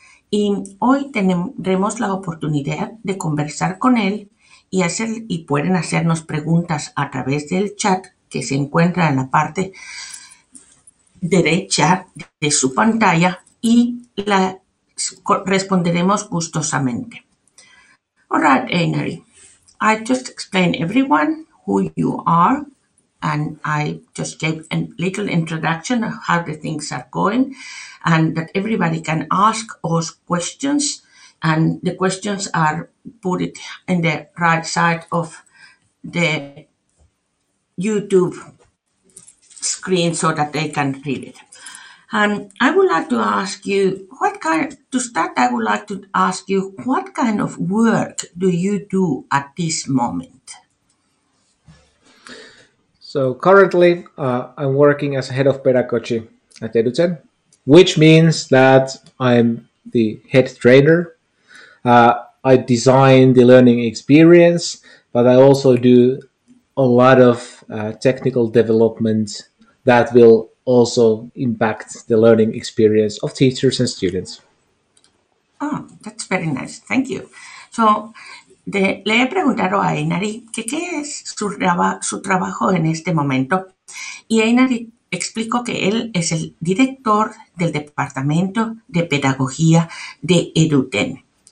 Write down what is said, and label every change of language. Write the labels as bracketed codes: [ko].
[es] Y hoy tendremos la oportunidad de conversar con él y pueden hacernos preguntas a través del chat que se encuentra en la parte derecha de su pantalla y la responderemos gustosamente. [en] All right, Einari. I just explained everyone who you are, and I just gave a little introduction of how the things are going, and that everybody can ask us questions, and the questions are put it in the right side of the YouTube screen so that they can read it. I would like to ask you what kind to start. I would like to ask you what kind of work do you do at this moment? So currently, I'm working as head of pedagogy at Eduten, which means that I'm the head trainer. I design the learning experience, but I also do a lot of technical development that will also impact the learning experience of teachers and students. Ah, oh, that's very nice. Thank you. [es] So, le he preguntado a Einari qué es su trabajo en este momento. Y Einari explicó que él es el director del Departamento de Pedagogía de Eduten.